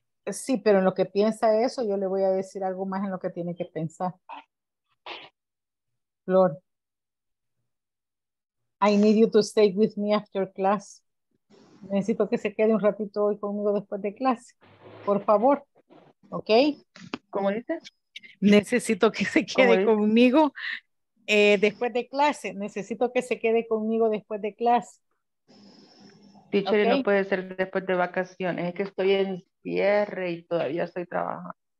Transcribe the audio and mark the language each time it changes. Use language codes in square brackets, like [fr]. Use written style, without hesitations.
[es] Sí, pero en lo que piensa eso, yo le voy a decir algo más en lo que tiene que pensar. Flor. [en] I need you to stay with me after class. [es] Necesito que se quede un ratito hoy conmigo después de clase. Por favor. Okay. ¿Cómo dice? Necesito que se quede conmigo. Después de clase, necesito que se quede conmigo después de clase. Teacher, okay. No puede ser después de vacaciones, es que estoy en cierre y todavía estoy trabajando.